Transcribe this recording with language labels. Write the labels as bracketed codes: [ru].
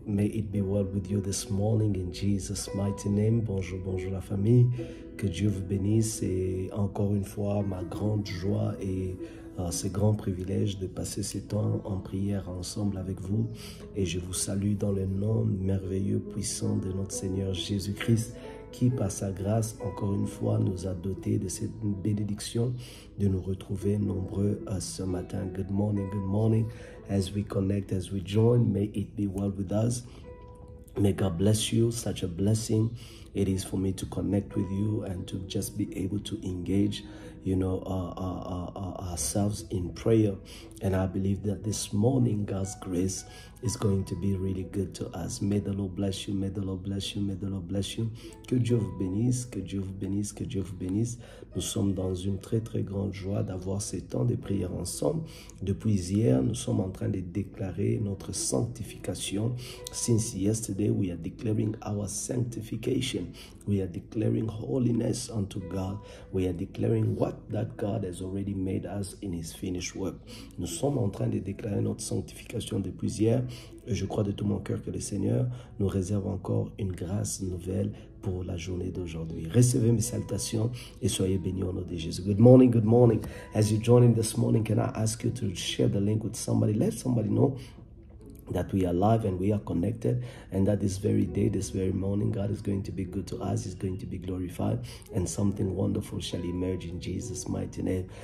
[en] May it be well with you this morning in Jesus' mighty name. [fr] Bonjour, bonjour la famille. Que Dieu vous bénisse et encore une fois ma grande joie et ce grand privilège de passer ce temps en prière ensemble avec vous. Et je vous salue dans le nom merveilleux, puissant de notre Seigneur Jésus-Christ qui par sa grâce encore une fois nous a doté de cette bénédiction de nous retrouver nombreux ce matin. [en] Good morning, as we connect, as we join, may it be well with us. May God bless you, such a blessing it is for me to connect with you and to just be able to engage, you know, ourselves in prayer. And I believe that this morning God's grace is going to be really good to us. May the Lord bless you, may the Lord bless you, may the Lord bless you. [fr] Que Dieu vous bénisse, que Dieu vous bénisse, que Dieu vous bénisse. Nous sommes dans une très très grande joie d'avoir ce temps de prière ensemble. Depuis hier, nous sommes en train de déclarer notre sanctification. [en] Since yesterday, we are declaring our sanctification. We are declaring holiness unto God. We are declaring what that God has already made us in his finished work. [fr] Nous sommes en train de déclarer notre sanctification depuis hier. Et je crois de tout mon cœur que le Seigneur nous réserve encore une grâce nouvelle pour la journée d'aujourd'hui. Recevez mes salutations et soyez bénis au nom de Jésus. [en] Good morning, as you're joining this morning, can I ask you to share the link with somebody? Let somebody know that we are live and we are connected, and that this very day, this very morning, God is going to be good to us, is going to be glorified, and something wonderful shall emerge in Jesus' mighty name.